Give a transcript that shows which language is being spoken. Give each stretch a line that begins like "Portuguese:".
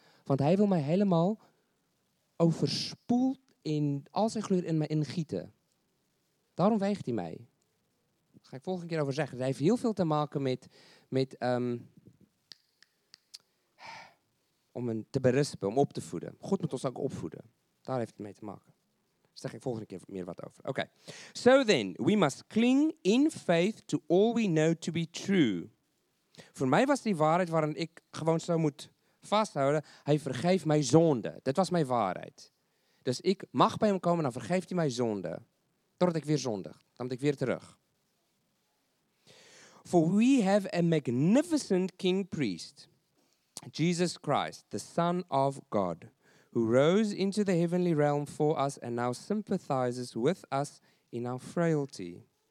Dutch: Want hij wil mij helemaal overspoeld in al zijn glorie in mij ingieten. Daarom weegt hij mij. Daar ga ik volgende keer over zeggen. Dat heeft heel veel te maken met om hem te berispen, om op te voeden. God moet ons ook opvoeden. Daar heeft het mee te maken. Daar zeg ik volgende keer meer wat over.
English: Okay. So then, we must cling in faith to all we know to be true.
Dutch: Voor mij was die waarheid waarin ik gewoon zo moet vasthouden. Hij vergeeft mijn zonde. Dat was mijn waarheid. Dus ik mag bij hem komen, dan vergeeft hij mijn zonde. Totdat ik weer zondig. Dan moet ik weer terug.
English: For we have a magnificent king priest, Jesus Christ, the Son of God, who rose into the heavenly realm for us and now sympathizes with us in our frailty.